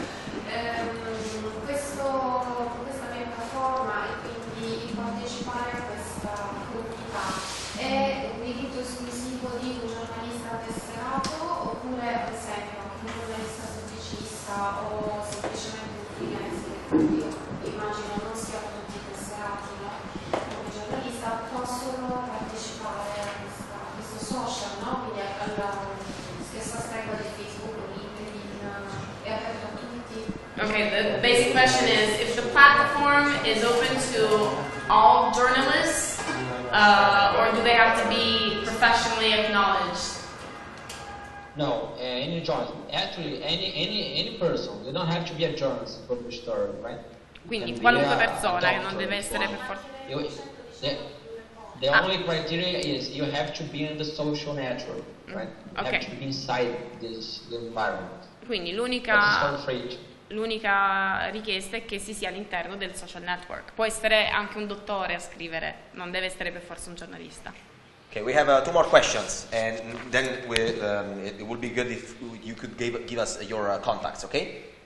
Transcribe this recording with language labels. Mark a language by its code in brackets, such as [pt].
[it] Questa piattaforma e quindi partecipare a questa comunità è un diritto esclusivo di un giornalista tesserato, oppure ad esempio un giornalista pubblicista o semplicemente un freelance, io immagino non siano tutti tesserati, no? Come giornalista possono partecipare a questo social, no? Quindi alla stessa stregua di Facebook, LinkedIn, è aperto a tutti. [en] Okay, the basic question is, if the platform is open to all journalists, or do they have to be professionally acknowledged? No, any journalist, actually any person, you don't have to be a journalist to publish a story, right? [it] Quindi qualunque persona, che non deve essere per forza. [en] The only criteria is you have to be in the social network, right? You okay. have to be inside the environment. [it] Quindi l'unica richiesta è che si sia all'interno del social network. Può essere anche un dottore a scrivere, non deve essere per forza un giornalista. [en] Okay, we have two more questions, and then it would be good if you could give us your contacts, okay?